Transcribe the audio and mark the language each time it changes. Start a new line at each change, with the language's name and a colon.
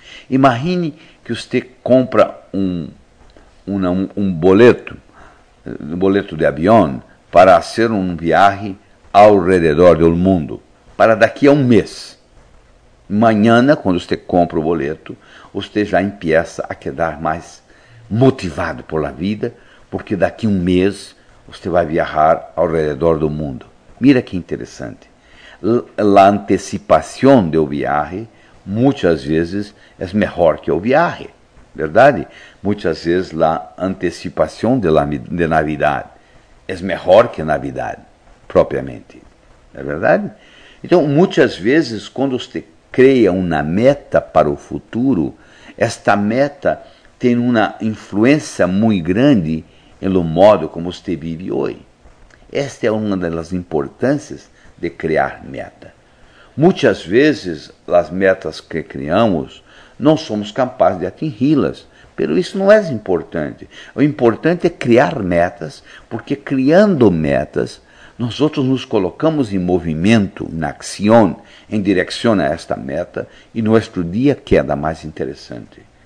Portuguese: Imagine que você compra um boleto, de avião para fazer um viagem ao redor do mundo para daqui a um mês. Amanhã, quando você compra o boleto, você já começa a quedar mais motivado pela vida, porque daqui a um mês você vai viajar ao redor do mundo. Mira que interessante.
Spanish: La antecipación del viaje muchas veces es mejor que el viaje, ¿verdad? Muchas veces la anticipación de Navidad es mejor que Navidad propiamente, ¿verdad? Entonces, muchas veces cuando usted crea una meta para el futuro, esta meta tiene una influencia muy grande en el modo como usted vive hoy. Esta es una de las importancias de criar meta.
Portuguese: Muitas vezes, as metas que criamos, não somos capazes de atingi-las, pero isso não é importante. O importante é criar metas, porque criando metas, nós outros nos colocamos em movimento, na acción, em direção a esta meta, e nosso dia queda mais interessante.